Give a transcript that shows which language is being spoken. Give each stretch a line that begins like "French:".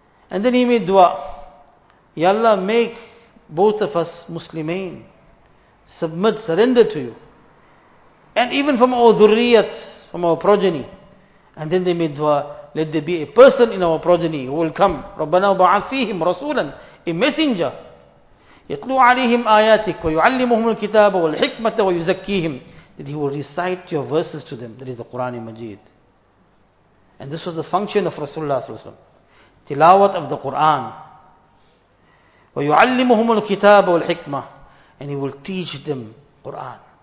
English: And then he made dua. Ya Allah, make both of us Muslimin. Submit, surrender to you. And even from our dhurriyat, from our progeny. And then they made dua, let there be a person in our progeny who will come.
Arabic: رَبَّنَا وَبَعَثْ فِيهِمْ رَسُولًا
English: A messenger.
Arabic: يَتْلُوْ عَلِيهِمْ آيَاتِكَ وَيُعَلِّمُهُمُ الْكِتَابَ وَالْحِكْمَةَ وَيُزَكِّيهِمْ
English: That he will recite your verses to them. That is the Qur'an Majid. And this was the function of Rasulullah sallallahu alaihi wasallam. Tilawat of the Qur'an.
Arabic: وَيُعَلِّمُهُمُ الْكِتَابَ وَالْحِكْمَةَ
English: And he will teach them Qur'an.